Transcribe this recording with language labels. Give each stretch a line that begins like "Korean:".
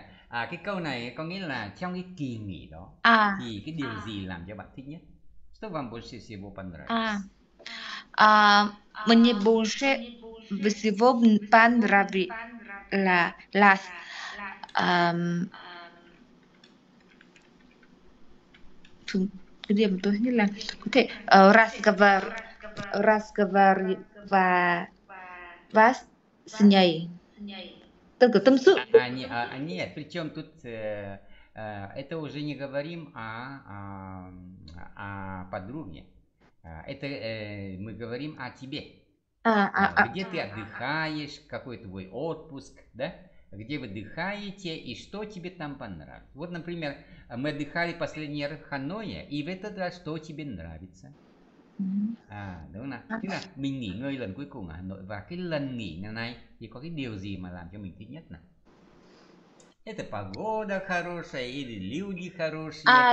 Vietnamese: Cái câu này có nghĩa là trong cái kỳ nghỉ đó thì cái điều gì làm cho bạn thích nhất?
Russian: Что вам больше всего понравилось? Мне больше всего понравилось с ней. Нет, причем тут это уже не говорим о подруге. Это мы говорим о тебе. Где ты отдыхаешь, какой твой отпуск, да? Где вы отдыхаете и что тебе там понравилось? Вот, например, мы отдыхали последний раз в Ханое, и в этот раз что тебе нравится?
Vietnamese: Đúng không nào? Tức là mình nghỉ ngơi lần cuối cùng ở Hà Nội và cái lần nghỉ ngày nay thì có cái điều gì mà làm cho mình thích nhất nào?
Russian: Это погода хорошая или люди хорошие?